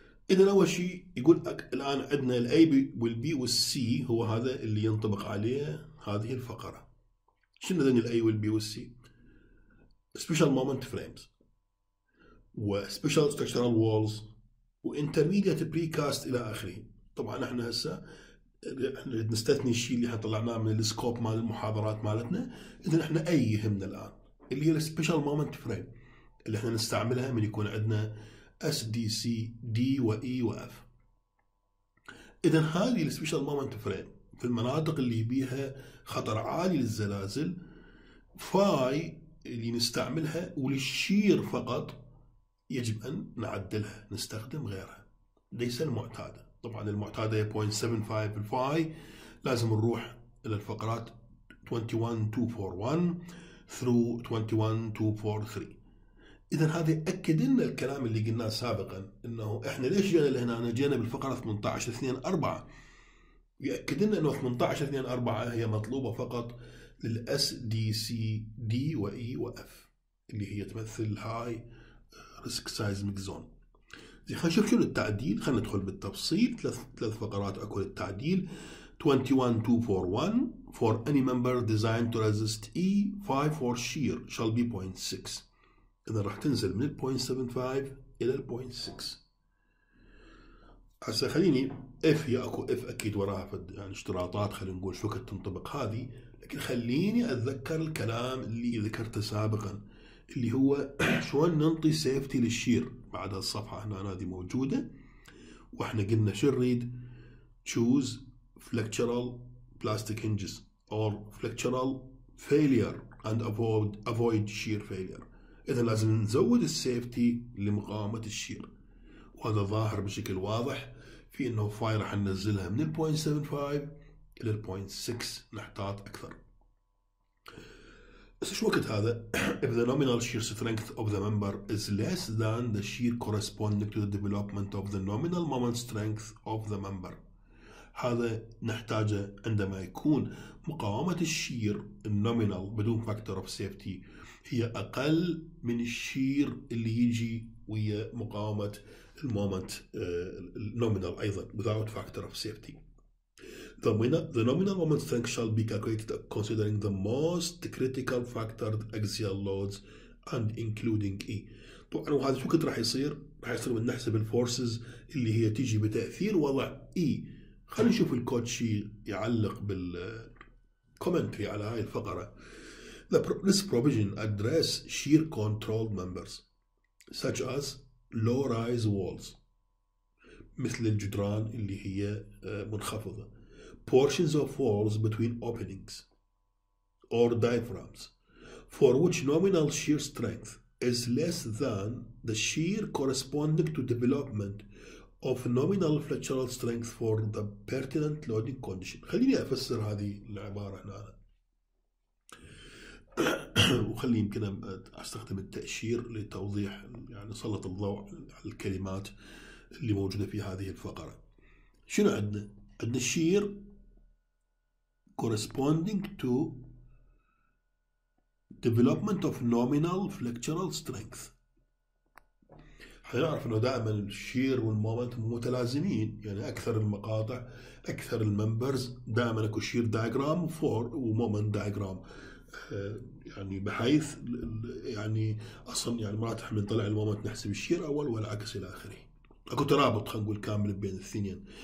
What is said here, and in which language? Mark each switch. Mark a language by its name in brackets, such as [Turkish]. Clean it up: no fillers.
[Arabic] إذا أول شيء يقول الآن عندنا الـ A والـ B والـ C، هو هذا اللي ينطبق عليه هذه الفقرة. شنو هذين الـ A والـ B والـ C؟ Special Moment Frames و Special Structural Walls و Intermediate Precast إلى آخره. طبعا احنا هسا نستثني الشيء اللي طلعناه من السكوب مال المحاضرات مالتنا. إذا احنا أي يهمنا الآن؟ اللي هي الـ Special Moment Frame اللي احنا نستعملها من يكون عندنا SDC D و E و F. إذا هذه السبيشال مومنت فريم في المناطق اللي بيها خطر عالي للزلازل، فاي اللي نستعملها وللشير فقط يجب أن نعدلها، نستخدم غيرها ليس المعتادة. طبعا المعتادة هي 0.75 في الفاي، لازم نروح إلى الفقرات 21241 through 21243. إذا هذا أكد لنا الكلام اللي قلناه سابقا، أنه إحنا ليش جينا لهنا؟ أنا جينا بالفقرة 18.24، يأكد لنا أنه 18.24 هي مطلوبة فقط للـ SDCD و E و F اللي هي تمثل هاي ريسك سايزميك زون. زين خلينا نشوف شنو التعديل، خلينا ندخل بالتفصيل. [English] ثلاث فقرات اكو التعديل 21241 for any member designed to resist E5 for shear shall be 0.6. [Arabic] إذا راح تنزل من 0.75 إلى 0.6. هسا خليني اف، يا اكو اف اكيد وراها يعني اشتراطات، خلينا نقول شو كانت تنطبق هذه، لكن خليني اتذكر الكلام اللي ذكرته سابقا اللي هو شلون ننطي سيفتي للشير. بعد هالصفحه هنا هذه موجوده، واحنا قلنا شو نريد؟ تشوز فلكتشرال بلاستيك هنجز اور فلكتشرال فيلير اند افويد شير فيلير. اذا لازم نزود السيفتي لمقاومه الشير، وهذا ظاهر بشكل واضح في انه فاي راح ننزلها من 0.75 الى 0.6، نحتاط اكثر. [English] بس شو وقت هذا؟ If the nominal shear strength of the member is less than the shear corresponding to the development of the nominal moment strength of the member. [Arabic] هذا نحتاجه عندما يكون مقاومة الشير النومينال بدون factor of safety هي أقل من الشير اللي يجي ويا مقاومة المومنت النومينال أيضا without factor of safety. [English] The nominal moment strength shall be calculated considering the most critical factor axial loads and including E. [Arabic] طبعاً وهذا شو كنت راح يصير؟ راح يصير بنحسب الفورسز اللي هي تيجي بتأثير وضع E. خلينا نشوف الكوتشي يعلق بالكومنتري على هاي الفقرة. [English] This provision address shear controlled members such as low rise walls مثل الجدران اللي هي منخفضة. Portions of walls between openings or diaphragms for which nominal shear strength is less than the shear corresponding to development of nominal flexural strength for the pertinent loading condition. [Arabic] خليني أفسر هذه العبارة هنا وخلي يمكن أستخدم التأشير لتوضيح يعني سلط الضوء على الكلمات اللي موجودة في هذه الفقرة. شنو عندنا؟ عندنا الشير corresponding to development of nominal flexural strength. حنعرف انه دائما الشير والمومنت متلازمين، يعني اكثر المقاطع اكثر الممبرز دائما اكو شير دايجرام فور ومومنت دايجرام، يعني بحيث يعني اصلا يعني مرات احنا نطلع المومنت نحسب الشير اول والعكس الى اخره، اكو ترابط خلينا نقول كامل بين الاثنين.